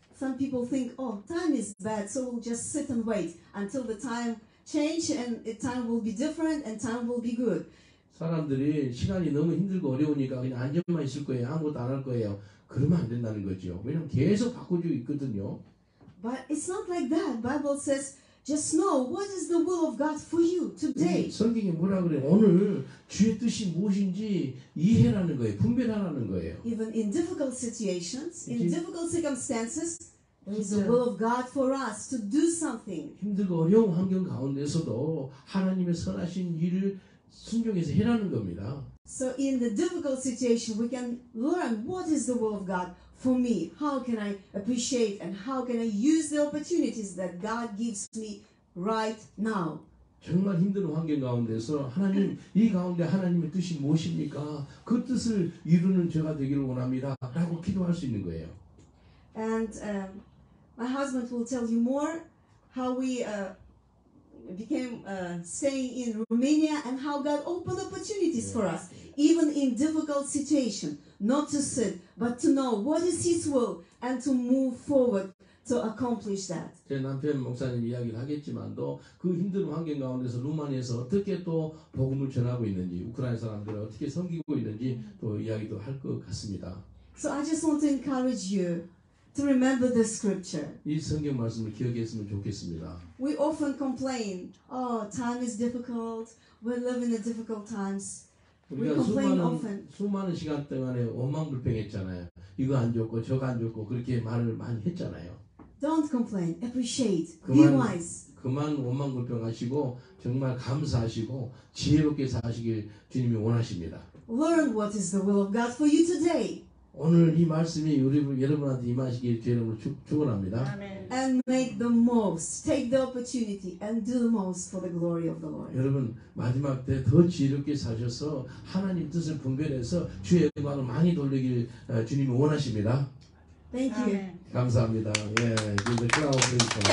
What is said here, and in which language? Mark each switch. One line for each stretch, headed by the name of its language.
English: Some people think, oh, time is bad, so we'll just sit and wait until the time change and time will be different and time will be good.
Korean: 사람들이 시간이 너무 힘들고 어려우니까 그냥 앉아만 있을 거예요, 아무것도 안 할 거예요. 그러면 안 된다는 거죠. 왜냐면 계속 바꿔주고 있거든요.
English: But it's not like that. Bible says, just know what is the will of God for you today.
Korean: 성경이 뭐라 그래? 오늘 주의 뜻이 무엇인지 이해하라는 거예요. 분별하라는 거예요.
English: Even in difficult situations, in difficult circumstances, there is the will of God for us to do something.
Korean: 힘들고 어려운 환경 가운데서도 하나님의 선하신 일을 순종해서 해라는 겁니다.
English: So in the difficult situation, we can learn what is the will of God for me. How can I appreciate and how can I use the opportunities that God gives me right now?
Korean: 정말 힘든 환경 가운데서 하나님 이 가운데 하나님의 뜻이 무엇입니까? 그 뜻을 이루는 제가 되기를 원합니다.라고 기도할 수 있는 거예요.
English: And my husband will tell you more how we. Became staying in Romania and how God opened opportunities for us even in difficult situation not to sit but to know what is His will and to move forward to accomplish that.
Korean: 제 남편 목사님 이야기를 하겠지만도 그 힘든 환경 가운데서 루마니아에서 어떻게 또 복음을 전하고 있는지 우크라이나 사람들을 어떻게 섬기고 있는지 또 이야기도 할 것 같습니다.
English: So I just want to encourage you. To remember the scripture.
Korean: 이 성경 말씀을 기억했으면 좋겠습니다.
English: We often complain, oh, time is difficult. We live in a difficult times. We complain often.
Korean: 수많은 시간 동안에 원망불평했잖아요. 이거 안 좋고 저거 안 좋고 그렇게 말을 많이 했잖아요.
English: Don't complain. Appreciate. Be wise.
Korean: 그만 원망불평하시고 정말 감사하시고 지혜롭게 사시길 주님이 원하십니다.
English: Learn what is the will of God for you today.
Korean: 오늘 이 말씀이 우리 여러분한테 임하시길 주의 이름으로 축원합니다.
English: And make the most, take the opportunity and do the most for the glory of the Lord.
Korean: 여러분 마지막 때 더 지혜롭게 사셔서 하나님 뜻을 분별해서 주의 영광을 많이 돌리길 주님이 원하십니다.
English: Thank you.
Korean: 감사합니다. 예, 이제 끝나오겠습니다.